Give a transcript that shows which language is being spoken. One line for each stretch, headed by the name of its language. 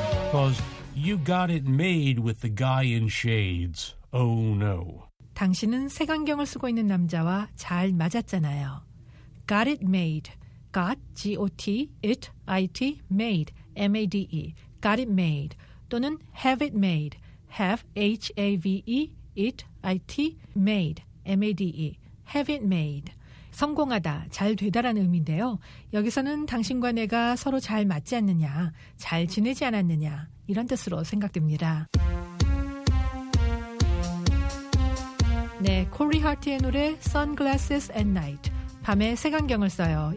English: Because you got it made with the guy in shades. Oh no.
Korean: 당신은 색안경을 쓰고 있는 남자와 잘 맞았잖아요.
English: Got it made. Got, G-O-T, it, I-T, made, M-A-D-E. Got it made. 또는 have it made. Have, H-A-V-E, it, I-T, made, M-A-D-E. Have it made.
Korean: 성공하다, 잘 되다라는 의미인데요. 여기서는 당신과 내가 서로 잘 맞지 않느냐, 잘 지내지 않았느냐 이런 뜻으로 생각됩니다. 네, 코리 하트의 노래 Sunglasses at Night. 밤에 색안경을 써요.